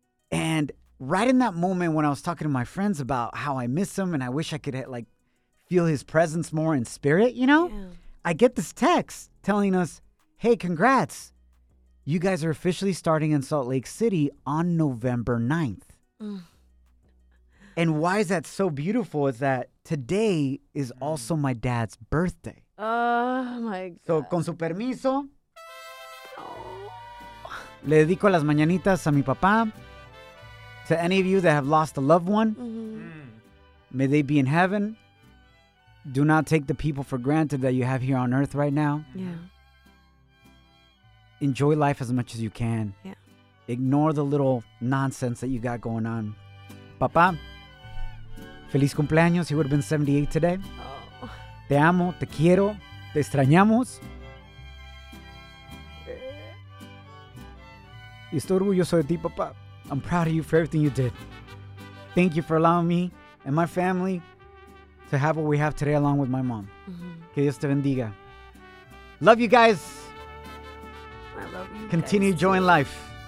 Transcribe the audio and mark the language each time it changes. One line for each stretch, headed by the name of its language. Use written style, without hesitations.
English: And right in that moment when I was talking to my friends about how I miss him and I wish I could like feel his presence more in spirit, you know, I get this text telling us, hey, congrats. You guys are officially starting in Salt Lake City on November 9th. Mm. And why is that so beautiful is that today is also my dad's birthday. Oh, my God.
Spanish: So, con su permiso, le dedico las mañanitas a mi papá.
English: To any of you that have lost a loved one, may they be in heaven. Do not take the people for granted that you have here on earth right now. Yeah. Enjoy life as much as you can. Yeah. Ignore the little nonsense that you got going on. Papa,
Spanish: feliz cumpleaños.
English: He would have been 78 today. Oh.
Spanish: Te amo, te quiero, te extrañamos. Y estoy orgulloso de ti, papá.
English: I'm proud of you for everything you did. Thank you for allowing me and my family to have what we have today along with my mom. Mm-hmm.
Spanish: Que Dios te bendiga.
English: Love you guys. I love you. Continue enjoying life.